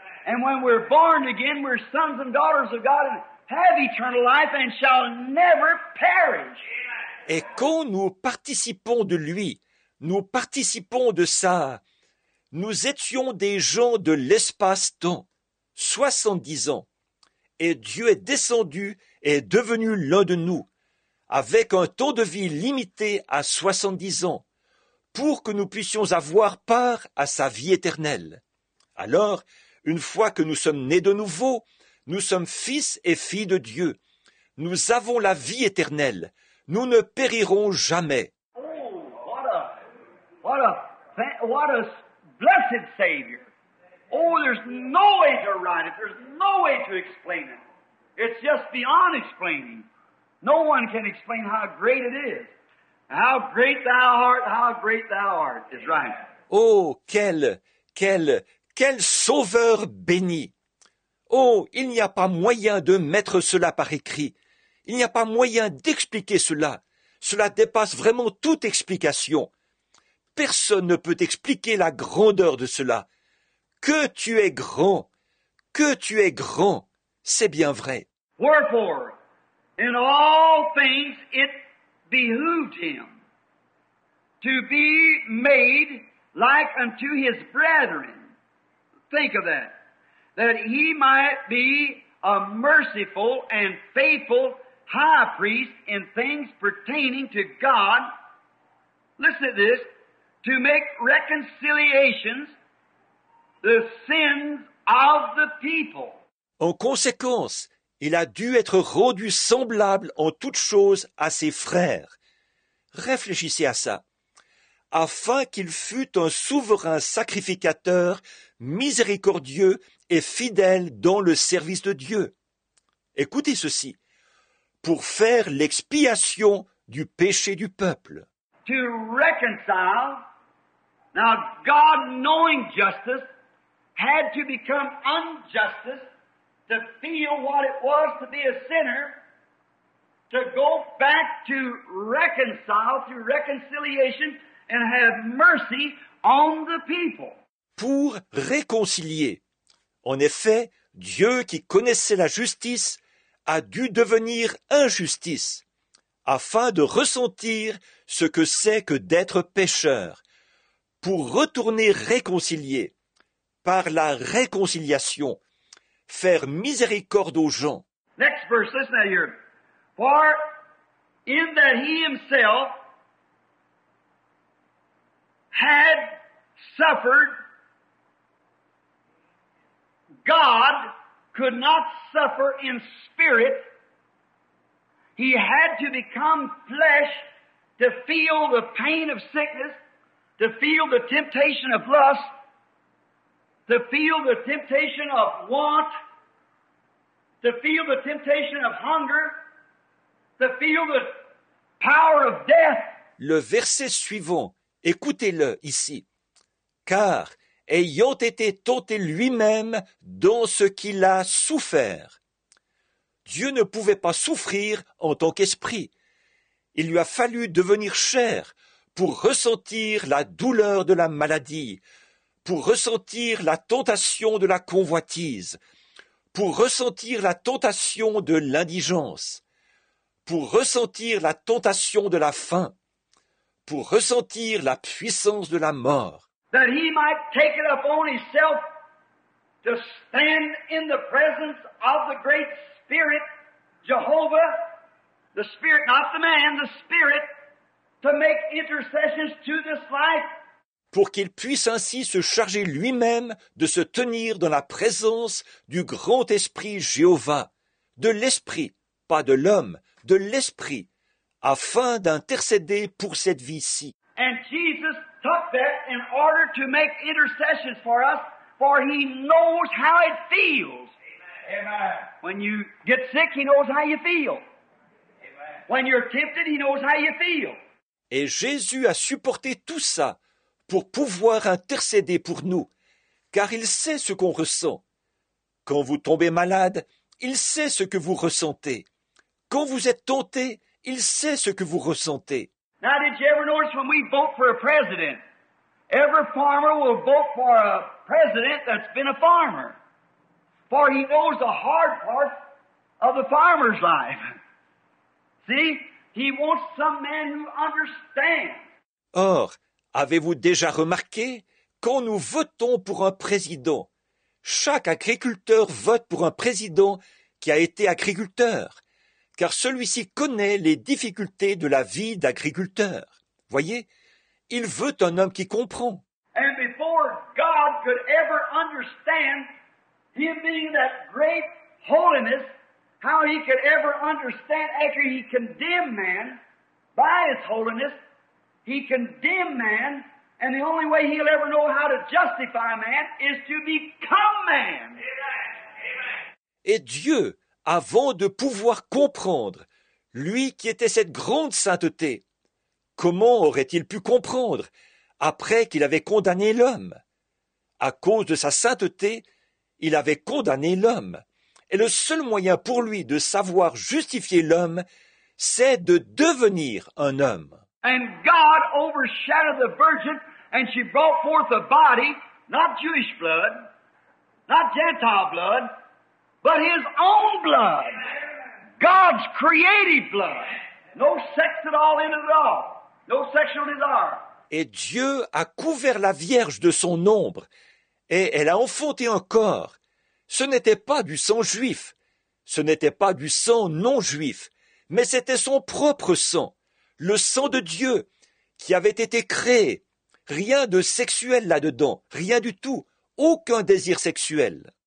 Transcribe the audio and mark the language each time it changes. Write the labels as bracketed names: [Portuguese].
[English] And when we're born again, we're sons and daughters of God and have eternal life and shall never perish. [French] Et quand nous participons de lui, nous participons de ça. Nous étions des gens de l'espace-temps, 70 ans. Et Dieu est descendu et est devenu l'un de nous, avec un temps de vie limité à 70 ans, pour que nous puissions avoir part à sa vie éternelle. Alors, une fois que nous sommes nés de nouveau, nous sommes fils et filles de Dieu. Nous avons la vie éternelle. Nous ne périrons jamais. [English] Oh, what a blessed Savior! Oh, there's no way to write it. There's no way to explain it. It's just beyond explaining. No one can explain how great it is. How great thou art, how great thou art, is right. [French] Oh, quel sauveur béni! Oh, il n'y a pas moyen de mettre cela par écrit. Il n'y a pas moyen d'expliquer cela. Cela dépasse vraiment toute explication. Personne ne peut expliquer la grandeur de cela. Que tu es grand, que tu es grand, c'est bien vrai. [English] Wherefore, in all things it behooved him to be made like unto his brethren. Think of that. That he might be a merciful and faithful high priest in things pertaining to God. Listen to this. To make reconciliations the sins of the people. [French] En conséquence, il a dû être rendu semblable en toutes choses à ses frères. Réfléchissez à ça. Afin qu'il fût un souverain sacrificateur, miséricordieux et fidèle dans le service de Dieu. Écoutez ceci. Pour faire l'expiation du péché du peuple. [English] To reconcile. Now, God knowing justice had to become injustice to feel what it was to be a sinner, to go back to reconcile through reconciliation and have mercy on the people. [French] Pour réconcilier. En effet, Dieu qui connaissait la justice a dû devenir injustice afin de ressentir ce que c'est que d'être pécheur. Pour retourner réconcilier, par la réconciliation, faire miséricorde aux gens. [English] Next verse, listen out here. For in that he himself had suffered God could not suffer in spirit. He had to become flesh to feel the pain of sickness, to feel the temptation of lust, to feel the temptation of want, to feel the temptation of hunger, to feel the power of death. [French] Le verset suivant, écoutez-le ici. Car, ayant été tenté lui-même dans ce qu'il a souffert, Dieu ne pouvait pas souffrir en tant qu'esprit. Il lui a fallu devenir chair pour ressentir la douleur de la maladie, pour ressentir la tentation de la convoitise, pour ressentir la tentation de l'indigence, pour ressentir la tentation de la faim, pour ressentir la puissance de la mort. [English] That he might take it upon himself to stand in the presence of the great Spirit, Jehovah, the Spirit, not the man, the Spirit, to make intercessions to this life. [French] Pour qu'il puisse ainsi se charger lui-même de se tenir dans la présence du grand esprit Jéhovah, de l'esprit, pas de l'homme, de l'esprit, afin d'intercéder pour cette vie-ci. [English] And Jesus took that in order to make intercessions for us, for he knows how it feels. Amen. When you get sick, he knows how you feel. Amen. When you're tempted, he knows how you feel. [French] Et Jésus a supporté tout ça pour pouvoir intercéder pour nous, car il sait ce qu'on ressent. Quand vous tombez malade, il sait ce que vous ressentez. Quand vous êtes tenté, il sait ce que vous ressentez. [English] Now, did you ever notice when we vote for a president, every farmer will vote for a president that's been a farmer, for he knows the hard part of the farmer's life. See, he wants some man who understands. [French] Or, avez-vous déjà remarqué, quand nous votons pour un président, chaque agriculteur vote pour un président qui a été agriculteur, car celui-ci connaît les difficultés de la vie d'agriculteur. Voyez, il veut un homme qui comprend. [English] And before God could ever understand him being that great holiness, how he could ever understand after he condemned man by his holiness, he condemned man, and the only way he'll ever know how to justify man is to become man. Amen. Amen. [French] Et Dieu, avant de pouvoir comprendre, lui qui était cette grande sainteté, comment aurait-il pu comprendre après qu'il avait condamné l'homme? À cause de sa sainteté, il avait condamné l'homme. Et le seul moyen pour lui de savoir justifier l'homme, c'est de devenir un homme. [English] And God overshadowed the virgin, and she brought forth a body, not Jewish blood, not Gentile blood, but his own blood, God's creative blood. No sex at all in it at all. No sexual desire. [French] Et Dieu a couvert la Vierge de son ombre, et elle a enfanté un corps. Ce n'était pas du sang juif, ce n'était pas du sang non juif, mais c'était son propre sang. Le sang de Dieu qui avait été créé, rien de sexuel là-dedans, rien du tout, aucun désir sexuel.